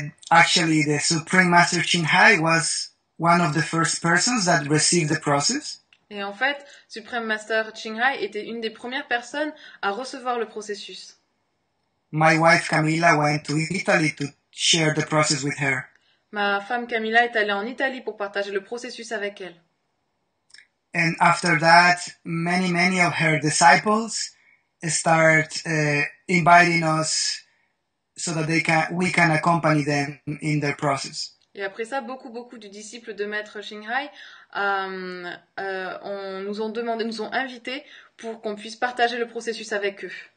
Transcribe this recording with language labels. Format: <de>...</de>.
<en>Actually, the Supreme Master Qinghai was one of the first persons that received the process.</en> <fr>Et en fait, Supreme Master Qinghai était une des premières personnes à recevoir le processus.</fr> <en>My wife Camilla went to Italy to share the process with her.</en> <fr>Ma femme Camilla est allée en Italie pour partager le processus avec elle.</fr> <en>And after that, many, many of her disciples start inviting us. So that we can accompany them in their process.</en> <fr>Et après ça, beaucoup, beaucoup de disciples de Maître Qinghai nous ont demandé, nous ont invités pour qu'on puisse partager le processus avec eux.</fr>